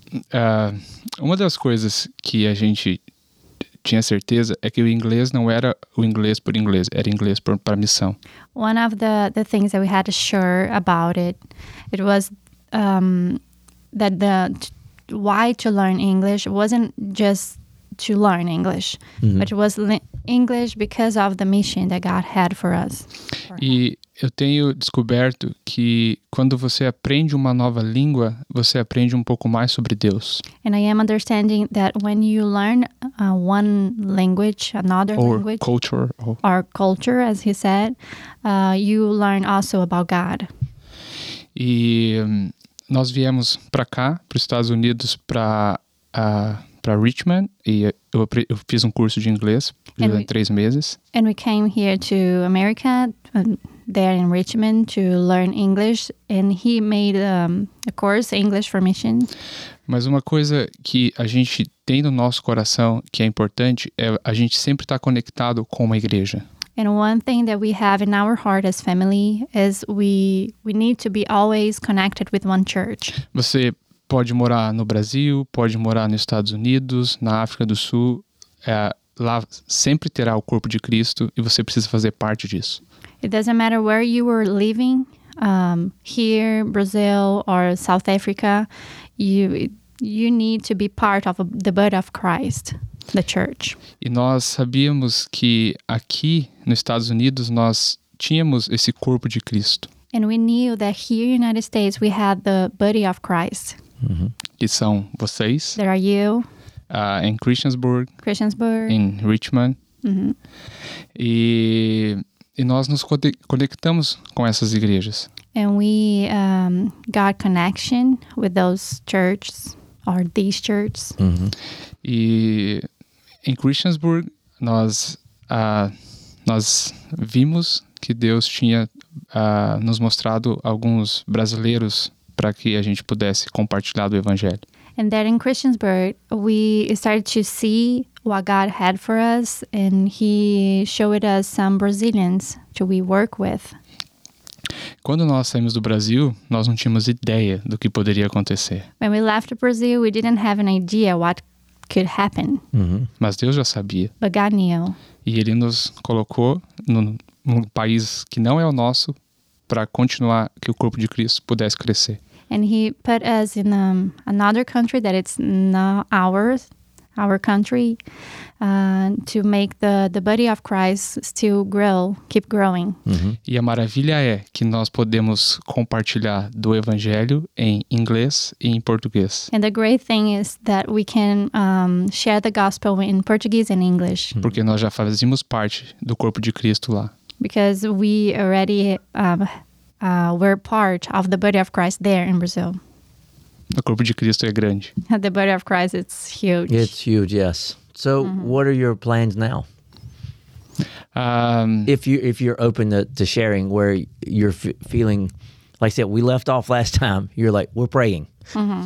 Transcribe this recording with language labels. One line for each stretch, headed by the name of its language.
Portuguese: uma das coisas que a gente tinha certeza é que o inglês não era o inglês por inglês, era inglês para missão.
English: One of the things that we had sure about it was that the why to learn English wasn't just to learn English, mm-hmm. but it was English because of the mission that God had for us.
Portuguese: E eu tenho descoberto que quando você aprende uma nova língua, você aprende um pouco mais sobre Deus.
English: And I am understanding that when you learn one language, another language, or culture, as he said, you learn also about God.
Portuguese: E nós viemos para cá, para os Estados Unidos, para Richmond, e eu fiz curso de inglês durante 3 meses.
English: And we came here to America, there in Richmond, to learn English, and he made a course, English for Missions.
Portuguese: Mas uma coisa que a gente tem no nosso coração que é importante é a gente sempre estar conectado com uma igreja.
English: And one thing that we have in our heart as family is we need to be always connected with one church.
Portuguese: Você pode morar no Brasil, pode morar nos Estados Unidos, na África do Sul, lá sempre terá o corpo de Cristo e você precisa fazer parte disso.
English: It doesn't matter where you were living, here, Brazil, or South Africa, you need to be part of the body of Christ, the church.
Portuguese: E nós sabíamos que aqui nos Estados Unidos nós tínhamos esse corpo de Cristo.
English: And we knew that here in the United States we had the body of Christ.
Portuguese: Uhum. Que são vocês.
English: There are you. In Christiansburg. In Richmond. Uhum.
Portuguese: E nós nos conectamos com essas igrejas.
English: And we got connection with those churches, or these churches. Uhum.
Portuguese: E em Christiansburg, nós vimos que Deus tinha nos mostrado alguns brasileiros para que a gente pudesse compartilhar do evangelho.
English: And then in Christiansburg, we started to see what God had for us, and he showed us some Brazilians to we work with.
Portuguese: Quando nós saímos do Brasil, nós não tínhamos ideia do que poderia acontecer.
English: When we left Brazil, we didn't have an idea what could happen. Uhum.
Portuguese: Mas Deus já sabia.
English: But God knew.
Portuguese: E ele nos colocou num país que não é o nosso para continuar que o corpo de Cristo pudesse crescer.
English: And he put us in another country that it's not ours, our country, to make the body of Christ still grow, keep growing.
Portuguese: Uhum. E a maravilha é que nós podemos compartilhar do evangelho em inglês e em português.
English: And the great thing is that we can share the gospel in Portuguese and English. Uhum.
Portuguese: Porque nós já fazemos parte do corpo de Cristo lá.
English: Because we already were part of the body of Christ there in Brazil.
Portuguese: O corpo de Cristo é grande.
English: The body of Christ is huge. It's huge, yes. So, mm-hmm. What are your plans now? If you're open to sharing where you're feeling, like I said, we left off last time. You're like, we're praying. Mm-hmm.